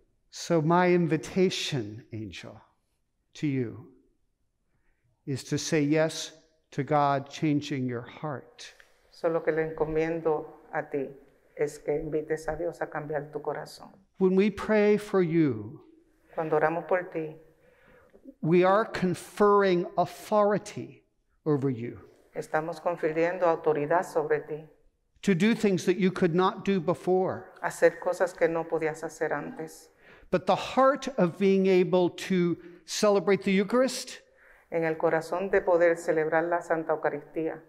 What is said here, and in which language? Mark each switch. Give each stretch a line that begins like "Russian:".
English: So my invitation, Ángel, to you is to say yes to God changing your heart.
Spanish: Solo que le encomiendo a ti es que invites a Dios a cambiar tu corazón.
English: When we pray for you,
Spanish: cuando oramos por ti,
English: we are conferring authority over you.
Spanish: Estamos confiriendo autoridad sobre ti.
English: To do things that you could not do before.
Spanish: Hacer cosas que no podías hacer antes.
English: But the heart of being able to celebrate the Eucharist,
Spanish: en el corazón de poder celebrar la Santa Eucaristía,